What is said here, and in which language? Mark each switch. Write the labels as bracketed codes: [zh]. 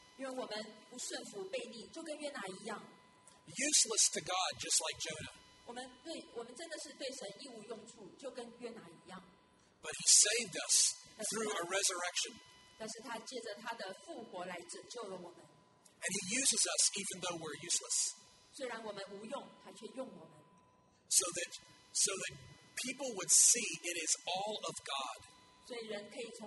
[zh] 因为我们不顺服背逆，就跟约拿一样。 [en] Useless to God, just like Jonah. [zh] 我们真的是对神一无用处，就跟约拿一样。 [en] But he saved us through a resurrection. [zh] 但是他借着他的复活来拯救了我们。 [en] And he uses us even though we're useless. [zh] 虽然我们无用，他却用我们。 [en] So that people would see it is all of God.